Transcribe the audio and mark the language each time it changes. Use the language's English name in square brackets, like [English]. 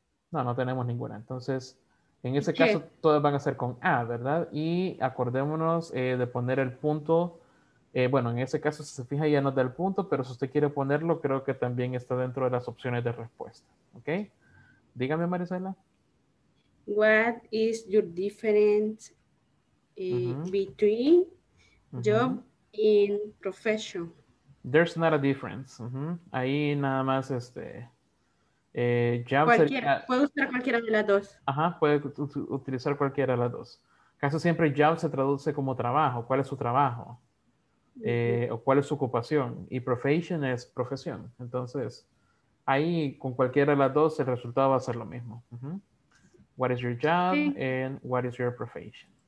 [Spanish] No tenemos ninguna, entonces... En ese caso, todas van a ser con A, ¿verdad? Y acordémonos de poner el punto. Bueno, en ese caso, si se fija, ya nos da el punto, pero si usted quiere ponerlo, creo que también está dentro de las opciones de respuesta. ¿Ok? Dígame, Marisela. [English] What is your difference between job and profession? There's not a difference. Uh-huh. [Spanish] Ahí nada más Job cualquiera, sería, puede usar cualquiera de las dos. Ajá, puede utilizar cualquiera de las dos. Casi siempre job se traduce como trabajo. ¿Cuál es su trabajo? O ¿cuál es su ocupación? Y profession es profesión. Entonces, ahí con cualquiera de las dos el resultado va a ser lo mismo. Uh-huh. [English] What is your job and what is your profession?